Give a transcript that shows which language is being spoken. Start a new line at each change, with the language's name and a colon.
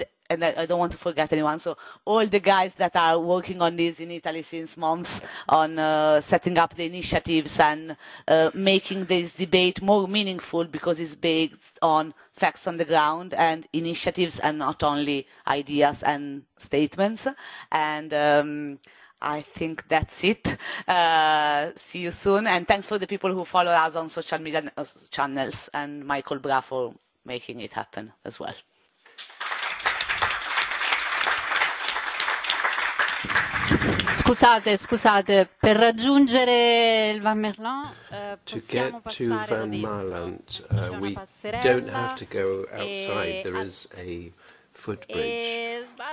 English: I don't want to forget anyone, so all the guys that are working on this in Italy since months on setting up the initiatives and making this debate more meaningful, because it's based on facts on the ground and initiatives and not only ideas and statements. And I think that's it. See you soon. And thanks for the people who follow us on social media channels, and Michael Bra for making it happen as well.
Italian: Scusate, per raggiungere il Van Merlan possiamo passare lì.
English: We don't have to go outside, there is a footbridge.